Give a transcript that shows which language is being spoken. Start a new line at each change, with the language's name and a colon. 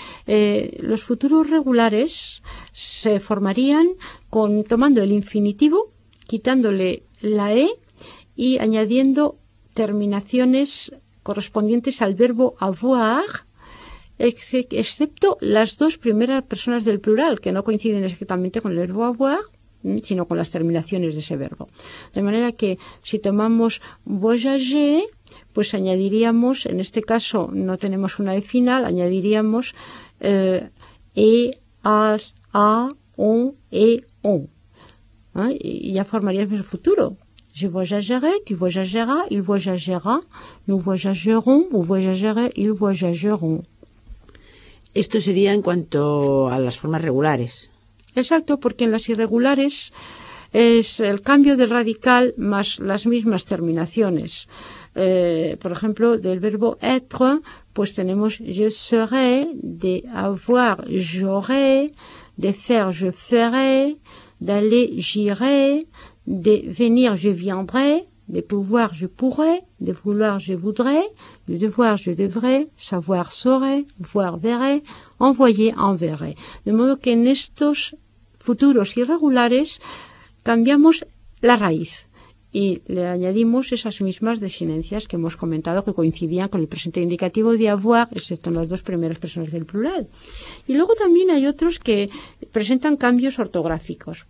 Spanish: Los futuros regulares se formarían tomando el infinitivo, quitándole la E y añadiendo terminaciones correspondientes al verbo avoir, excepto las dos primeras personas del plural, que no coinciden exactamente con el verbo avoir, sino con las terminaciones de ese verbo. De manera que si tomamos voyager, pues añadiríamos, en este caso no tenemos una E final, añadiríamos E, as, a, on, e, on. ¿Eh? Y ya formaríamos el futuro.
French: Je voyagerai, tu voyageras, il voyagera, nous voyagerons, vous voyagerez, ils voyageront.
Spanish: Esto sería en cuanto a las formas regulares. Exacto, porque en las irregulares es el cambio del radical más las mismas terminaciones. Por ejemplo, del verbo être, pues tenemos
French: je serai,
Spanish: de avoir,
French: j'aurai,
Spanish: de faire,
French: je ferai,
Spanish: d'aller,
French: j'irai,
Spanish: de venir,
French: je viendrai,
Spanish: de pouvoir,
French: je pourrai,
Spanish: de vouloir,
French: je voudrai,
Spanish: de devoir,
French: je devrai,
Spanish: savoir,
French: saurai,
Spanish: voir,
French: verrai,
Spanish: envoyer,
French: enverrai.
Spanish: De modo que en estos futuros irregulares cambiamos la raíz y le añadimos esas mismas desinencias que hemos comentado que coincidían con el presente indicativo de avoir, excepto en las dos primeras personas del plural. Y luego también hay otros que presentan cambios ortográficos.